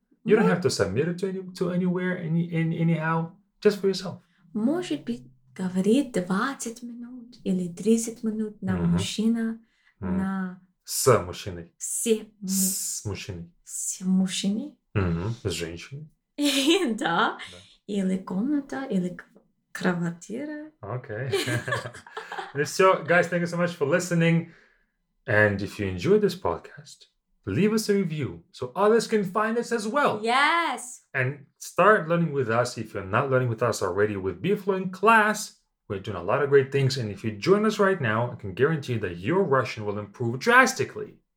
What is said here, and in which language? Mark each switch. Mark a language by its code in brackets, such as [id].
[en] You don't have to submit it to anywhere, anyhow. Just for yourself. [ru] Может быть, говорит 20 минут. Или 30 минут на mm-hmm. мужчина, mm-hmm. на... С мужчиной. С мужчиной. С мужчиной. Mm-hmm. С женщиной. И, да. Или комната, или квартира. Окей. Okay. [en] So, guys, thank you so much for listening. And if you enjoyed this podcast, leave us a review so others can find us as well. Yes. And start learning with us if you're not learning with us already with BeFluent Class. We're doing a lot of great things, and if you join us right now, I can guarantee that your Russian will improve drastically.